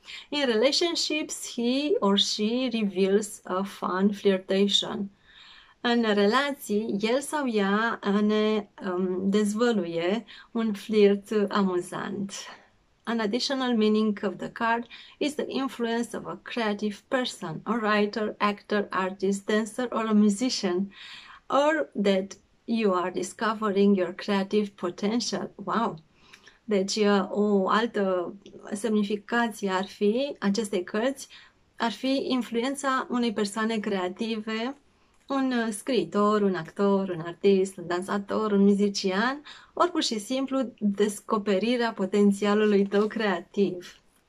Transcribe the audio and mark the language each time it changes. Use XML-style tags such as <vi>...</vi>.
<en>In relationships, he or she reveals a fun flirtation.</en> <ro>În relații, el sau ea ne dezvăluie un flirt amuzant.</ro> <en>An additional meaning of the card is the influence of a creative person, a writer, actor, artist, dancer, or a musician, or that you are discovering your creative potential. Wow!</en> <ro>Deci, o altă semnificație ar fi, acestei cărți, ar fi influența unei persoane creative, un scriitor, un actor, un artist, un dansator, un muzician, ori pur și simplu descoperirea potențialului tău creativ.</ro>